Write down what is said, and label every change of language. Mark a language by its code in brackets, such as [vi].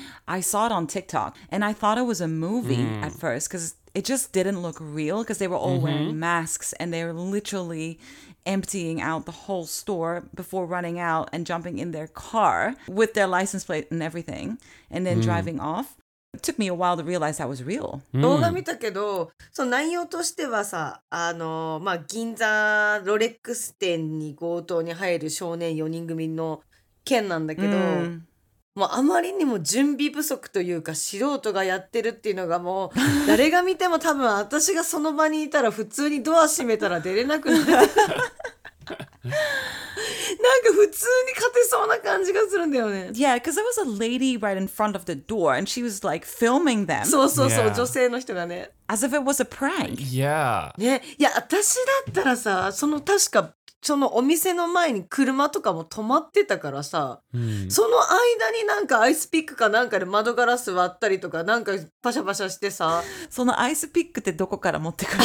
[en] I saw it on TikTok and I thought it was a movie at first because it just didn't look real because they were all wearing masks and they were literally emptying out the whole store before running out and jumping in their car with their license plate and everything and then driving off. It took me a while to realize that was real. [ja] 動画見たけど、その内容としてはさ、まあ、銀座ロレックス店に強盗に入る少年4人組の剣なんだけど、もうあまりにも準備不足というか素人がやってるっていうのがもう誰が見ても多分私がその場にいたら普通にドア閉めたら出れなくなるなんか普通に勝てそうな感じがするんだよね [en] Yeah, because there was a lady right in front of the door and she was like filming them [ja] そう、女性の人がね [en] As if it was a prank Yeah、 [ja] ね、いや私だったらさその確かそのお店の前に車とかも止まってたからさ、その間になんかアイスピックかなんかで窓ガラス割ったりとかなんかパシャパシャしてさ、そのアイスピックってどこから持ってくるの？